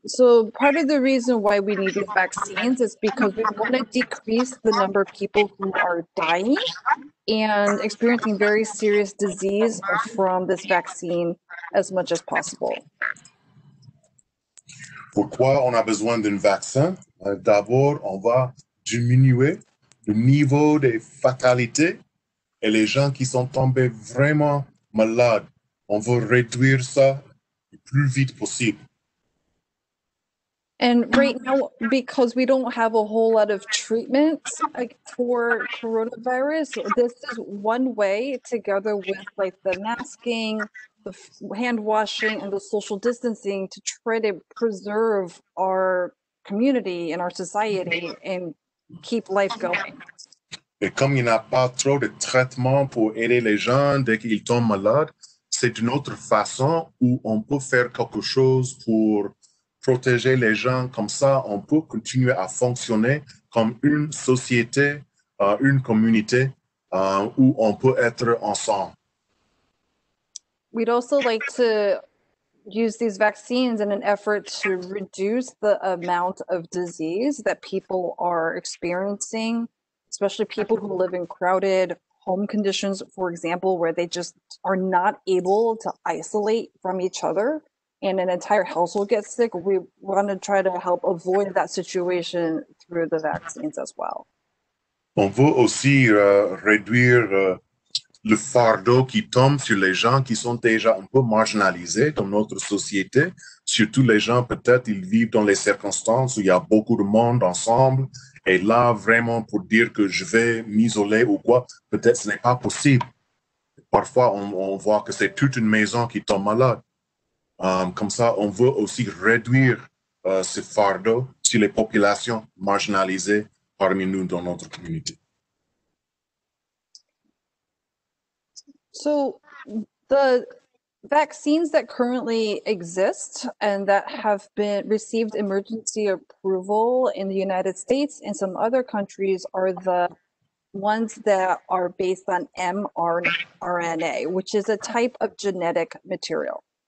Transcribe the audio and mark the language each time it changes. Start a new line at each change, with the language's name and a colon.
English: So part of the reason why we need these vaccines is because we want to decrease the number of people who are dying and experiencing very serious disease from this vaccine as much as possible.
French: Pourquoi on a besoin d'un vaccin? D'abord, on va diminuer le niveau des fatalités et les gens qui sont tombés vraiment malades. On veut réduire ça le plus vite possible.
English: And right now, because we don't have a whole lot of treatments for coronavirus, this is one way, together with the masking, the hand washing, and the social distancing, to try to preserve our community and our society and keep life going.
French: Et comme il n'y a pas trop de traitements pour aider les gens dès qu'ils tombent malades, c'est une autre façon où on peut faire quelque chose pour protéger les gens. Comme ça, on peut continuer à fonctionner comme une société, une communauté où on peut être ensemble.
English: We'd also like to use these vaccines in an effort to reduce the amount of disease that people are experiencing, especially people who live in crowded home conditions, for example, where they just are not able to isolate from each other and an entire household gets sick. We want to try to help avoid that situation through the vaccines as well.
French: On veut aussi réduire le fardeau qui tombe sur les gens qui sont déjà un peu marginalisés dans notre société, surtout les gens peut-être ils vivent dans les circonstances où il y a beaucoup de monde ensemble. Et là, vraiment, pour dire que je vais m'isoler ou quoi, peut-être ce n'est pas possible. Parfois, on voit que c'est toute une maison qui tombe malade. Comme ça, on veut aussi réduire ce fardeau sur les populations marginalisées parmi nous dans notre communauté.
English: So, the vaccines that currently exist and that have been received emergency approval in the United States and some other countries are the ones that are based on mRNA, which is a type of genetic material.